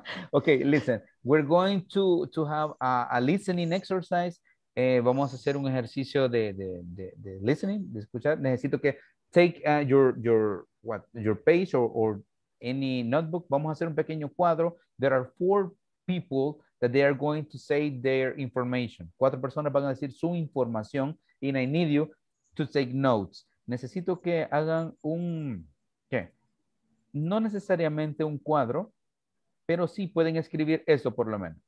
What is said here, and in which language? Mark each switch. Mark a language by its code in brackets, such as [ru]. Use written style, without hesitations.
[en] Okay, listen, we're going to have a listening exercise. [es] Vamos a hacer un ejercicio de listening, de escuchar. Necesito que [en] take your page or any notebook. [es] Vamos a hacer un pequeño cuadro. [en] There are four people that they are going to say their information. [es] Cuatro personas van a decir su información, [en] and I need you to take notes. [es] Necesito que hagan no necesariamente un cuadro, pero sí pueden escribir eso por lo menos.